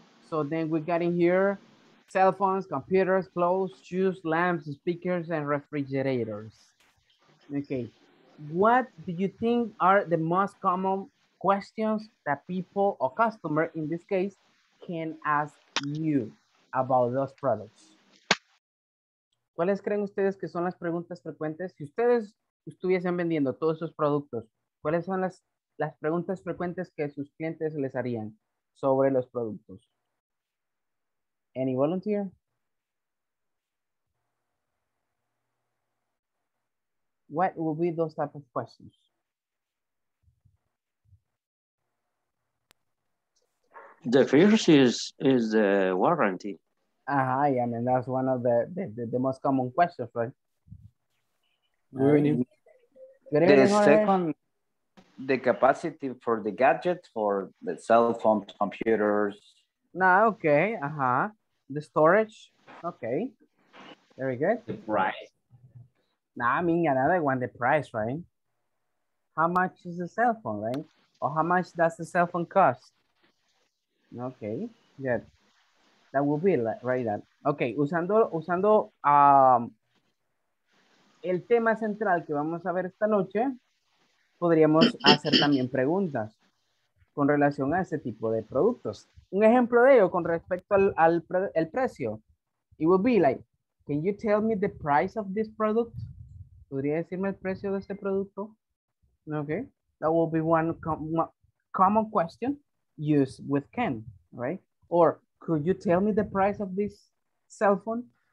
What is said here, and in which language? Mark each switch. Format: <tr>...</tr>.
<en>So then we got in here. Cell phones, computers, clothes, shoes, lamps, speakers, and refrigerators. Okay. What do you think are the most common questions that people or customer, in this case, can ask you about those products?</en> <es>¿Cuáles creen ustedes que son las preguntas frecuentes? Si ustedes estuviesen vendiendo todos esos productos, ¿cuáles son las preguntas frecuentes que sus clientes les harían sobre los productos?</es> <en>Any volunteer? What will be those type of questions? The first is the warranty. Yeah, I mean, that's one of the most common questions, right? The second, the capacity for the gadget, for the cell phone, computers. The storage, okay, very good. The price. Nah, I mean another one, the price, right? How much is the cell phone, right? Or how much does the cell phone cost? Okay, good. That will be right that.</en> <es>Okay, usando el tema central que vamos a ver esta noche, podríamos hacer también preguntas con relación a ese tipo de productos. Un ejemplo de ello con respecto al precio.</es> <en>It would be like, can you tell me the price of this product?</en> <es>¿Podría decirme el precio de este producto?</es> <en>Okay, that will be one common question used with can, right? Or could you tell me the price of this cell phone?</en>